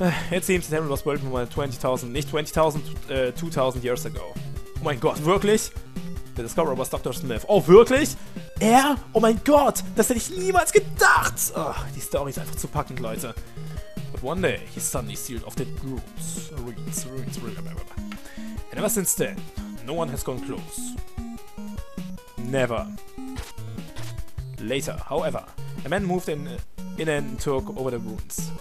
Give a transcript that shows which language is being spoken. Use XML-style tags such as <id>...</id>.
<en>Jetzt seems the temple was built 2000 years ago.</en> <de>Oh mein Gott, wirklich?</de> <en>The discoverer was Dr. Smith.</en> <de>Oh, wirklich? Er? Oh mein Gott, das hätte ich niemals gedacht! Oh, die Story ist einfach zu packend, Leute.</de> <en>But one day, he suddenly sealed off the runes. And ever since then, no one has gone close. Never. Later, however, a man moved in and took over the runes.</en>